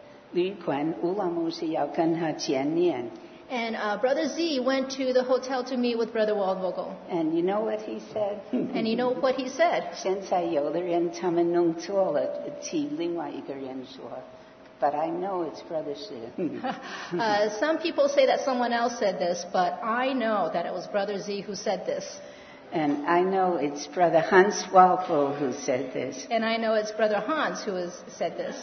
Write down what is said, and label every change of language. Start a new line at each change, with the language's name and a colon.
Chinese: 我们的师弟兄去他的旅馆，乌拉牧师要跟他见面。
English: And Brother Z went to the hotel to meet with Brother Waldvogel. And you know what he said? And you know what he said?
Chinese: 现在有的人他们弄错了，替另外一个人说。
English: But I know it's Brother Z. some people say that someone else said this, but I know that it was Brother Z who said this. And I know it's Brother Hans Waldvogel who said this. And I know it's Brother Hans who has said this.